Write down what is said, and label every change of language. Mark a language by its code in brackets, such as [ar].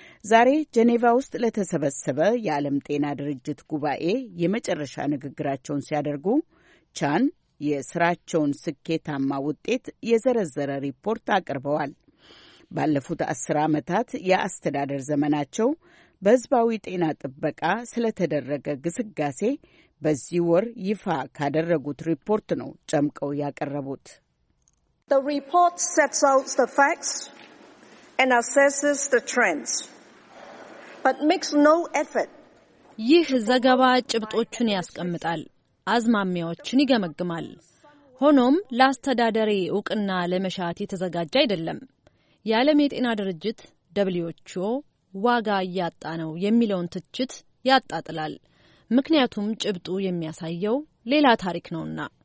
[am] ዛሬ ጄኔቫ ውስጥ ለተሰበሰበ የዓለም ጤና ድርጅት ጉባኤ የመጨረሻ ንግግራቸውን ሲያደርጉ ቻን የስራቸውን ስኬታማ ውጤት የዘረዘረ ሪፖርት አቅርበዋል። ባለፉት 10 ዓመታት የአስተዳደር ዘመናቸው በህዝባዊ ጤና ጥበቃ ስለተደረገ ግስጋሴ በዚህ ወር ይፋ ካደረጉት ሪፖርት ነው ጨምቀው ያቀረቡት። [en] The report sets out the facts and assesses the trends, but makes no effort. [am] ይህ ዘገባ ጭብጦቹን ያስቀምጣል፣ አዝማሚያዎችን ይገመግማል። ሆኖም ለአስተዳደሪ ዕቅና ለመሻት የተዘጋጀ አይደለም። የዓለም የጤና ድርጅት WHO ዋጋ ያጣ ነው የሚለውን ትችት ያጣጥላል። ምክንያቱም ጭብጡ የሚያሳየው ሌላ ታሪክ ነውና።